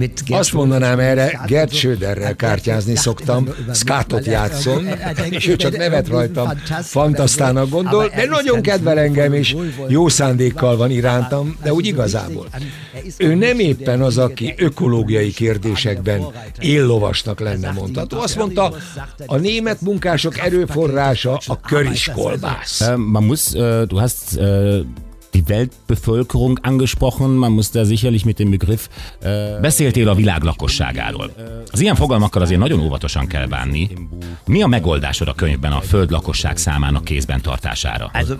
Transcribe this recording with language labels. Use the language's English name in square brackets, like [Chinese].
[Hungarian] Azt mondanám erre, Gerd Schröderrel kártyázni szoktam, skátot játszom, és ő csak nevet rajtam, fantasztának gondol, de nagyon kedvel engem is, jó szándékkal van irántam, de úgy igazából. Ő nem éppen az, aki ökológiai kérdésekben éllovasnak lenne mondható. Azt mondta, a német munkások erőforrása a köriskolbász. [German] Man muss, du hast die Weltbevölkerung angesprochen, man muss da sicherlich mit dem Begriff... [Hungarian] Beszéltél a világ lakosságáról. Az ilyen fogalmakkal azért nagyon óvatosan kell bánni. Mi a megoldásod a könyvben a föld lakosság számának kézben tartására?